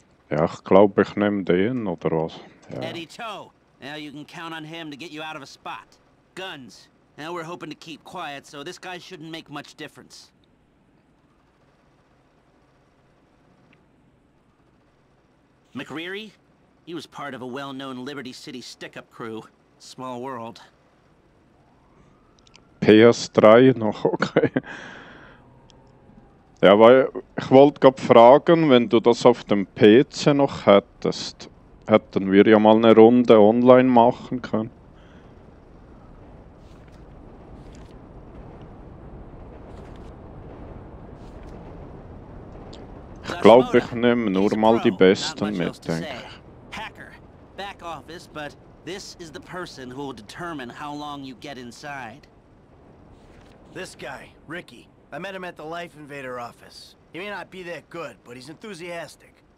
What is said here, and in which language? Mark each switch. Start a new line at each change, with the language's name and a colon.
German: Ja, ich glaube, ich nehme den, oder was? Ja.
English: Eddie Toe. Now you can count on him to get you out of a spot. Guns. Now we're hoping to keep quiet, so this guy shouldn't make much difference. McCreary? He was part of a well-known Liberty City stick-up crew. Small world.
German: PS3 noch, okay. Ja, weil ich wollte gerade fragen, wenn du das auf dem PC noch hättest, hätten wir ja mal eine Runde online machen können. Ich glaube, ich nehme nur mal die Besten mit, denke ich.
English: Hacker, back office, but this is the person who will determine how long you get inside. This guy, Ricky. I met him at the Life Invader office. He may not be that good, but he's enthusiastic.